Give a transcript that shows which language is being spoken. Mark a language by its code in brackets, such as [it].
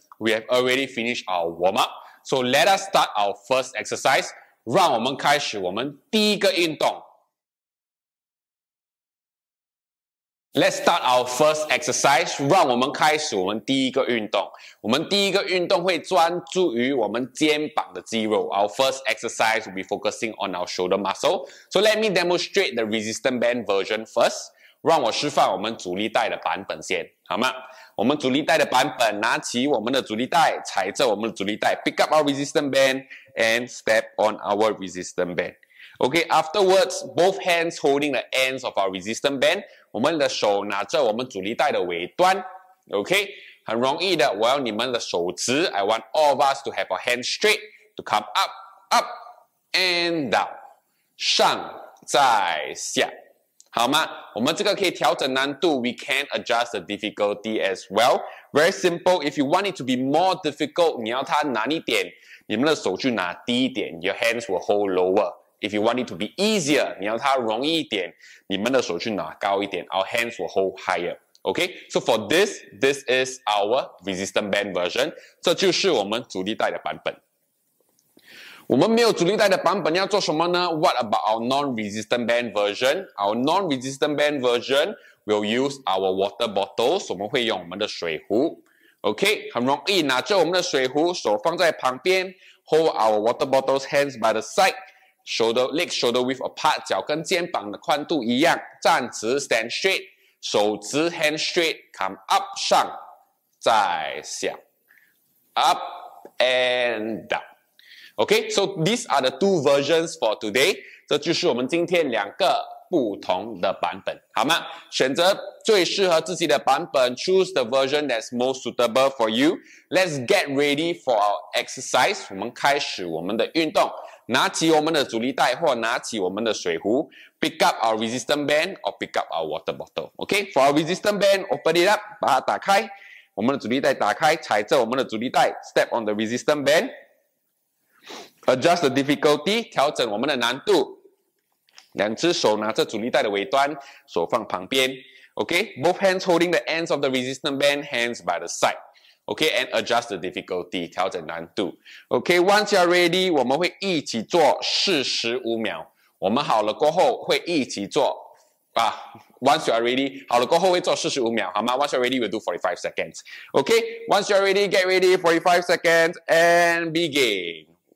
[en] We have already finished our warm-up. So let us start our first exercise. [zh] 让我们开始我们第一个运动。 [en] Let's start our first exercise. [zh] 让我们开始我们第一个运动。我们第一个运动会专注于我们肩膀的肌肉。 [en] Our first exercise will be focusing on our shoulder muscle. So let me demonstrate the resistance band version first. [zh] 让我示范我们阻力带的版本先，好吗？我们阻力带的版本，拿起我们的阻力带，踩着我们的阻力带 ， [en] pick up our resistance band [zh] and step on our resistance band. [en] Okay, afterwards, both hands holding the ends of our resistance band. [zh] 我们的手拿着我们阻力带的尾端。 Okay, 很容易的，我要你们的手直。 [en] I want all of us to have our hands straight to come up, up and down. [zh] 上再下，好吗？我们这个可以调整难度。 [en] We can adjust the difficulty as well. Very simple. If you want it to be more difficult, [zh] 你要它难一点，你们的手去拿低一点。 [en] Your hands will hold lower. If you want it to be easier, [zh] 你要它容易一点，你们的手去拿高一点 [en] ，our hands will hold higher. Okay, so for this, this is our resistance band version. [zh] 这就是我们阻力带的版本。我们没有阻力带的版本要做什么呢 ？ [en] What about our non-resistance band version? Our non-resistance band version will use our water bottles. [zh] 我们会用我们的水壶。Okay, 很容易，拿着我们的水壶，手放在旁边 ， [en] hold our water bottles, hands by the side. Shoulder, leg shoulder width apart, [zh] 脚跟肩膀的宽度一样。站直 [en] ,stand straight, [zh] 手直 [en] ,hand straight, come up, [zh] 上再下。 [en] Up and down. Okay, so these are the two versions for today. [zh] 这就是我们今天两个不同的版本。好吗？选择最适合自己的版本 , [en] choose the version that's most suitable for you. Let's get ready for our exercise. [zh] 我们开始我们的运动。拿起我们的阻力带或拿起我们的水壶 , [en] pick up our resistance band or pick up our water bottle. Okay, for our resistance band, open it up, [zh] 把它打开。我们的阻力带打开踩着我们的阻力带 , [en] step on the resistance band. Adjust the difficulty, [zh] 调整我们的难度。两只手拿着阻力带的尾端，手放旁边。 [en] Okay, both hands holding the ends of the resistance band, hands by the side. Okay, and adjust the difficulty, [zh] 调整难度。 [en] Okay, once you're ready, [zh] 我们会一起做45秒。我们好了过后会一起做啊。 [en] Once you are ready, [zh] 好了过后会做45秒，好吗？ [en] Once you are ready, we'll do 45 seconds. Okay, once you are ready, get ready, 45 seconds, and begin.